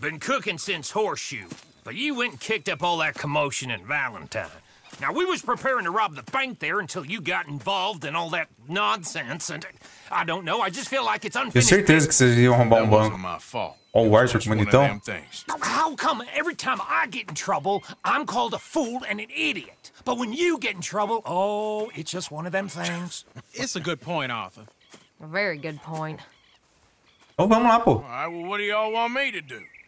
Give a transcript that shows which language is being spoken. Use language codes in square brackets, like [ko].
[en] Been cooking since Horseshoe, but you went and kicked up all that commotion in Valentine. Now we was preparing to rob the bank there until you got involved in all that nonsense, and I don't know. I just feel like it's unfinished. [pt] Tenho certeza que vocês iam roubar um banco. Oh, o Arthur, que bonitão. [en] How come every time I get in trouble, I'm called a fool and an idiot, but when you get in trouble, oh, it's just one of them things. It's a good point, Arthur. Very good point. [pt] Oh, vamos lá, pô. [en] All right, well, what do y'all want me to do?